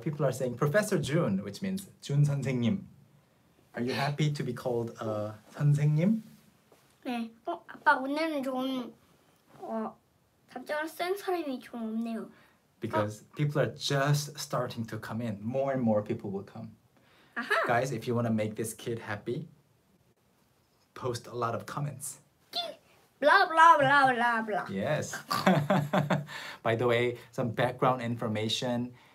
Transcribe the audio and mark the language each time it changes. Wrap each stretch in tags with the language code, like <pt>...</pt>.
<en>People are saying Professor June, which means 준 선생님. Are you happy to be called 선생님?</en> <ko>네. 아빠 오늘은 좀 답장을 쓴 사람이 좀 없네요.</ko> <en>Because people are just starting to come in. More and more people will come. Uh-huh. Guys, if you want to make this kid happy, post a lot of comments. Blah, blah, blah, blah, blah. Yes. By the way, some background information.</en>